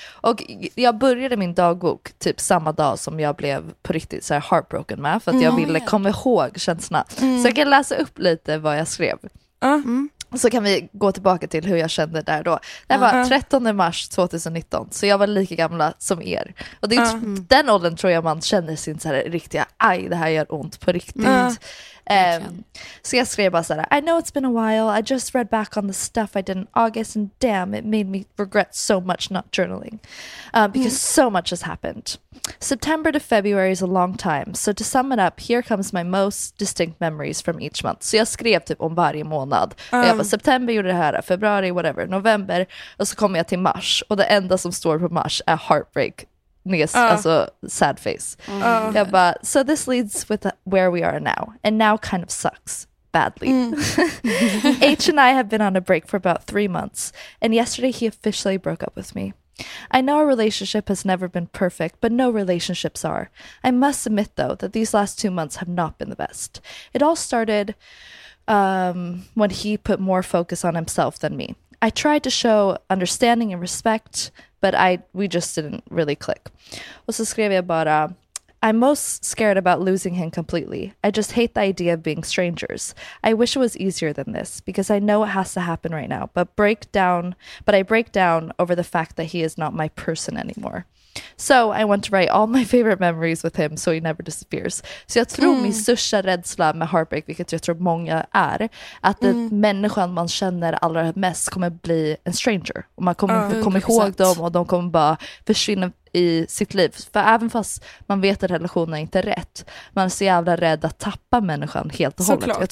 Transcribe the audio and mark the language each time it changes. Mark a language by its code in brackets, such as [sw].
[sv] Och jag började min dagbok typ samma dag som jag blev på riktigt så här heartbroken med, för att jag ville komma ihåg känslorna. Så jag kan läsa upp lite vad jag skrev. så kan vi gå tillbaka till hur jag kände där då. Det var 13 mars 2019, så jag var lika gamla som er. Och det är den åldern tror jag man känner sin så här riktiga, aj, det här gör ont på riktigt. Så jag skrev bara så här: [en] I know it's been a while, I just read back on the stuff I did in August, and damn, it made me regret so much not journaling. Because so much has happened. September to February is a long time, so to sum it up, here comes my most distinct memories from each month. [sv] Så jag skrev typ om varje månad. Och jag bara, september gjorde det här, februari, whatever, november, och så kommer jag till mars, och det enda som står på mars är heartbreak. Alltså sad face. Jag bara, [en] so this leads with where we are now, and now kind of sucks badly. H and I have been on a break for about 3 months, and yesterday he officially broke up with me. I know our relationship has never been perfect, but no relationships are. I must admit though that these last 2 months have not been the best. It all started when he put more focus on himself than me. I tried to show understanding and respect, but we just didn't really click. [sv] Och så skrev jag bara, [en] I'm most scared about losing him completely. I just hate the idea of being strangers. I wish it was easier than this, because I know it has to happen right now, but I break down over the fact that he is not my person anymore. So I want to write all my favorite memories with him so he never disappears. [sv] Så jag tror min största rädsla med heartbreak, vilket jag tror många är, att den människan man känner allra mest kommer bli en stranger. Och man kommer inte komma ihåg dem, och de kommer bara försvinna i sitt liv. För även fast man vet att relationen inte är rätt, man är så jävla rädd att tappa människan helt och hållet.